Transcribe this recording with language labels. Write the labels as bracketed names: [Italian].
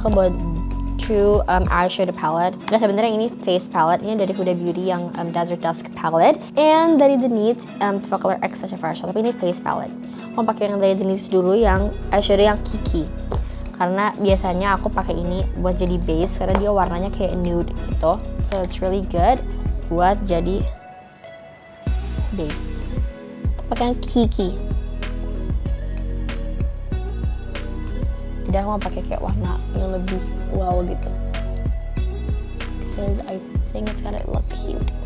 [Indonesian] Aku buat [English] two eyeshadow palette. [Indonesian] Dan sebenarnya ini face palette. Ini dari Huda Beauty yang Desert Dusk palette. And dari The Needs Focal X Touch of Eyeshadow. Tapi ini face palette. Aku pakai yang dari The Needs dulu yang eyeshadow yang Kiki. Karena biasanya aku pakai ini buat jadi base karena dia warnanya kayak nude gitu. [English] So it's really good [Indonesian] buat jadi base. Pakai yang Kiki. Dan mau pakai kayak warna yang lebih wow gitu. [English] Cause I think it's gonna look cute.